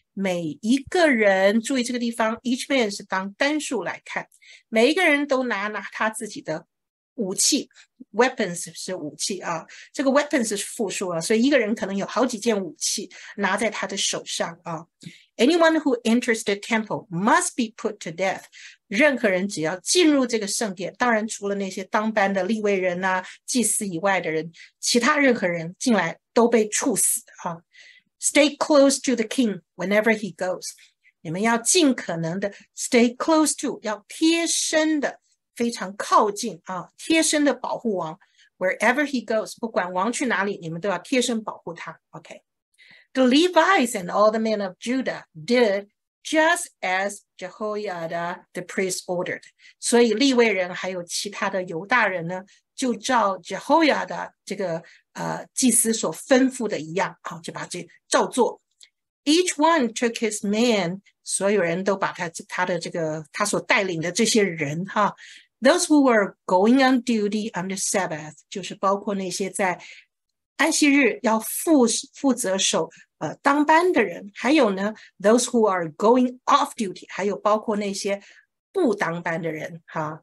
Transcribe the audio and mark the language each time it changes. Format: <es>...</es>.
<zh>每一个人注意这个地方 ，</zh> <en>each man</en> <zh>是当单数来看，每一个人都拿他自己的。武器 ，weapons 是武器啊，这个 weapons 是复数啊，所以一个人可能有好几件武器拿在他的手上啊。</zh> <en>Anyone who enters the temple must be put to death。</en> <zh>任何人只要进入这个圣殿，当然除了那些当班的立位人呐、祭司以外的人，其他任何人进来都被处死啊。</zh> <en>Stay close to the king whenever he goes。</en> <zh>你们要尽可能的</zh> <en>stay close to，</en> <zh>要贴身的。非常靠近啊，贴身的保护王。</zh> <en>Wherever he goes，</en> <zh>不管王去哪里，你们都要贴身保护他。</zh> <en>OK， the Levites and all the men of Judah did just as Jehoiada the priest ordered。</en> <zh>所以利未人还有其他的犹大人呢，就照 Jehoiada 这个祭司所吩咐的一样，好、啊，就把这照做。</zh> <en>Each one took his man，</en> <zh>所有人都把他的这个他所带领的这些人哈 ，</zh> <en>those who were going on duty on the Sabbath，</en> <zh>就是包括那些在安息日要负责守当班的人，还有呢 ，</zh> <en>those who are going off duty，</en> <zh>还有包括那些不当班的人哈。</zh>